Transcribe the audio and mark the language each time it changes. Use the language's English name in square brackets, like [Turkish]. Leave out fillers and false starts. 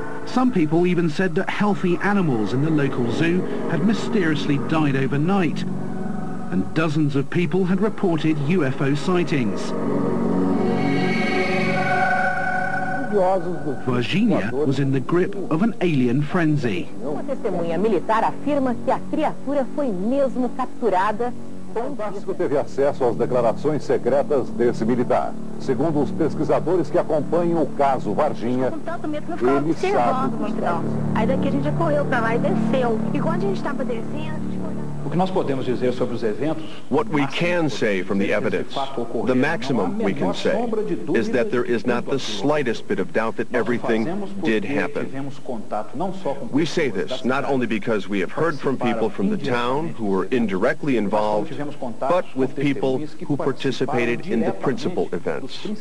[English] Some people even said that healthy animals in the local zoo had mysteriously died overnight, and dozens of people had reported UFO sightings. Varginha was in the grip of an alien frenzy. [Portuguese] Uma testemunha militar afirma que a criatura foi mesmo capturada. Fantástico teve acesso às declarações secretas desse militar. Segundo os pesquisadores que acompanham o caso Varginha, ele sabe. Aí daqui a gente correu para lá e desceu. E quando a gente estava descendo, o que nós podemos dizer sobre os eventos? [English] What we can say from the evidence, the maximum we can say, is that there is not the slightest bit of doubt that everything did happen. We say this not only because we have heard from people from the town who were indirectly involved, but with people who participated in the principal events.